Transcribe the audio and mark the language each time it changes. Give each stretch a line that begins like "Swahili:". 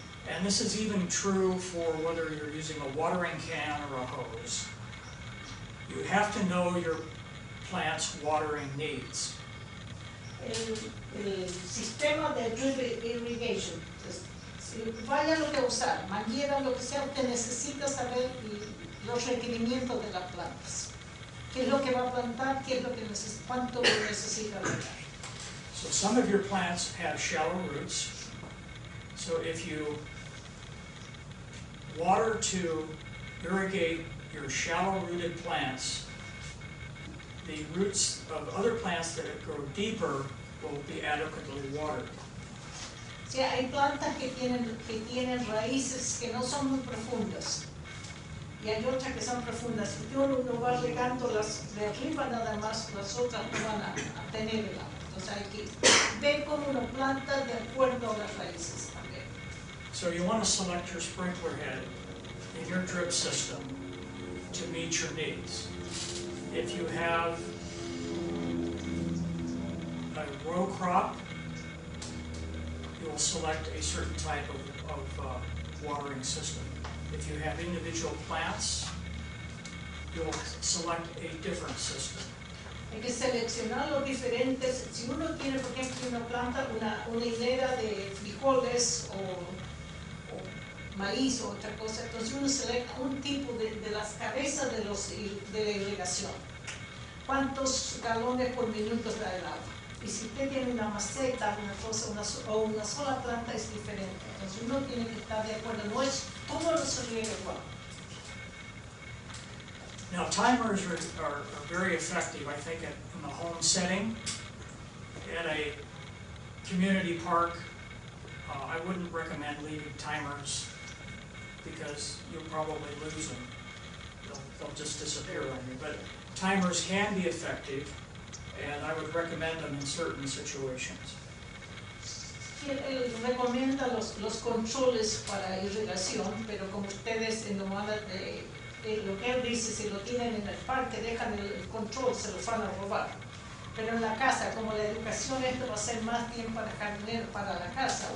English: And this is even true for whether you're using a watering can or a hose. You have to know your plant's watering needs.
Spanish: El sistema de drip irrigation. Entonces, vaya lo que usar, manguera, lo que sea, usted necesita saber los requerimientos de las plantas. ¿Qué es lo que va a plantar? ¿Qué es lo que necesita? ¿Cuánto necesita regar?
English: So So some of your plants have shallow roots. So if you water to irrigate your shallow rooted plants, the roots of other plants that grow deeper will be adequately watered.
Spanish: Sí, hay plantas que tienen raíces que no son muy profundas. Y hay otras que son profundas. Si yo no va regando las de arriba nada más, las otras no van a tener el agua. Entonces hay que ver cómo uno planta de acuerdo a las raíces también.
English: So you want to select your sprinkler head in your drip system to meet your needs. If you have a row crop, you will select a certain type of watering system. If you have individual plants, you will select a different system.
Spanish: Hay que seleccionar los diferentes. Si uno tiene, por ejemplo, una planta, una hilera de frijoles o maíz o otra cosa, entonces uno selecta un tipo de las cabezas de la irrigación. ¿Cuántos galones por minuto da el agua? Y si usted tiene una maceta, una cosa, una sola planta es diferente. Entonces uno tiene que estar de acuerdo. No es cómo lo sugiere igual.
English: Now timers are very effective, I think, in the home setting. At a community park, I wouldn't recommend leaving timers because you'll probably lose them. They'll just disappear on you. But timers can be effective, and I would recommend them in certain situations.
Spanish: Él recomienda los controles para irrigación, pero como ustedes en nomada, lo que él dice, si lo tienen en el parque, dejan el control, se los van a robar. Pero en la casa, como la educación, esto va a ser más bien para jardinero, para la casa.